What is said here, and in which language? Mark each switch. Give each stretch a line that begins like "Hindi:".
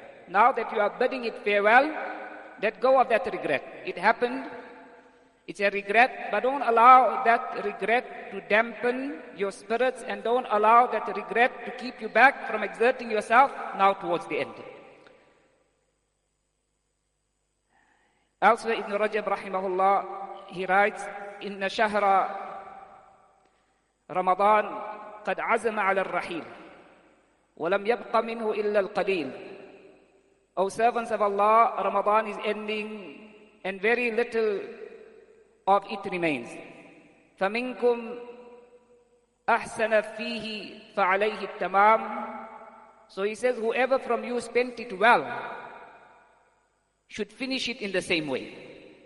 English: Now that you are bidding it farewell, let go of that regret. It happened. It's a regret, but don't allow that regret to dampen your spirits and don't allow that regret to keep you back from exerting yourself now towards the end. Elsewhere, Ibn Rajab rahimahullah, he writes,
Arabic: إِنَّ شَهْرَ رَمَضَانَ قَدْ عَزَمَ عَلَى الرَّحِيلِ وَلَمْ يَبْقَ مِنْهُ إِلَّا الْقَلِيلِ.
English: O servants of Allah, Ramadan is ending and very little of it remains.
Arabic: فَمِنْكُمْ أَحْسَنَ فِيهِ فَعَلَيْهِ التَّمَامِ.
English: So he says, whoever from you spent it well should finish it in the same way.